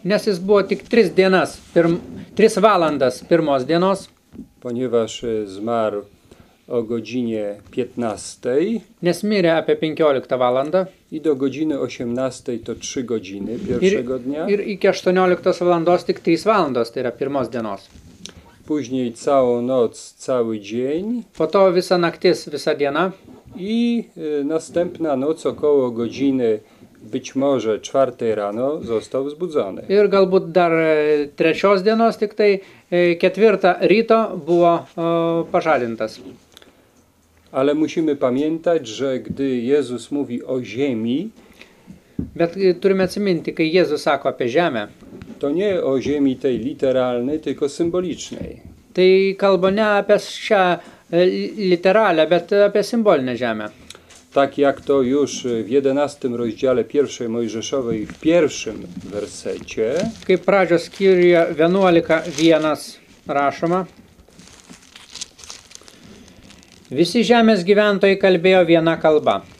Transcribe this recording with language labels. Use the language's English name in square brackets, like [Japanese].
[Lithuanian] Nes jis buvo tik 3 dienas, 3 valandas pirmos dienos. [Polish] Ponieważ zmarł o godzinie 15. [Lithuanian] Nes mirė apie 15 valandą. [Polish] I do godziny 18 to 3 godziny pierwszego dnia. [Lithuanian] Ir iki 18 valandos tik 3 valandos, tai yra pirmos dienos. [Polish] Później całą noc, cały dzień. [Lithuanian] Po to visa naktis, visa diena. [Polish] I następna noc około godziny, być może 4 rano, został wzbudzony. [Lithuanian] Ir galbūt dar trečios dienos, tik tai ketvirtą ryto buvo pažadintas. [Polish] Ale musimy pamiętać, że gdy Jezus mówi o ziemi, [Lithuanian] bet turime atsiminti, kai Jezus sako apie ziemę, [Polish] to nie o ziemi tej literalnej, tylko symbolicznej. [Lithuanian] Tai kalba ne apie šią literalę, bet apie simbolinę ziemę. [Polish] Tak jak to już w 11 rozdziale 1 Mojżeszowej w pierwszym wersecie, [Lithuanian] kaip pradžios skyriuje 11:1 rašoma. Visi žemės gyventojai kalbėjo vieną kalbą.